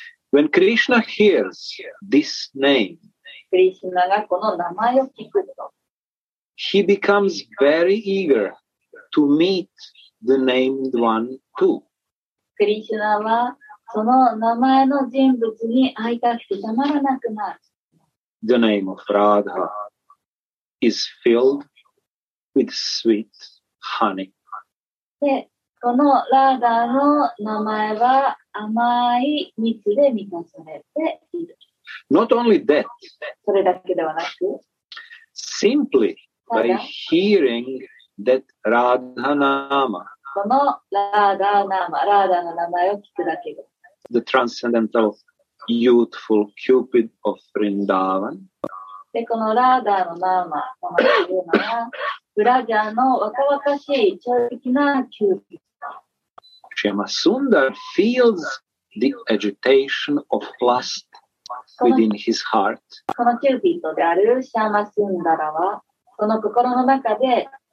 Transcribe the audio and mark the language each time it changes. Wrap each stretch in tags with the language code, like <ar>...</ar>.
<en>When Krishna hears this name, he becomes very eager to meet the named one too.</en> <ja>クリシュナはその名前の人物に会いたくてたまらなくなる。</ja> <en>The name of Radha is filled with sweet honey.</en> <ja>で、このラーダの名前は甘い蜜で満たされている。</ja> <en>Not only that,</en> <ja>それだけではなく、</ja> <en>simply by hearing that Radha Nama.</en> <ja>このラーダの名前を聞くだけで。</ja> <en>The transcendental youthful cupid of Vrindavan.</en> <ja>で、このラーダの名前というのは、ブラジャーの若々しい、超的なキューピッド。</ja> <en>シャマスンダル feels the agitation of lust within his heart.</en> <ja>このキューピッドであるシャマスンダラは、この心の中で、</ja>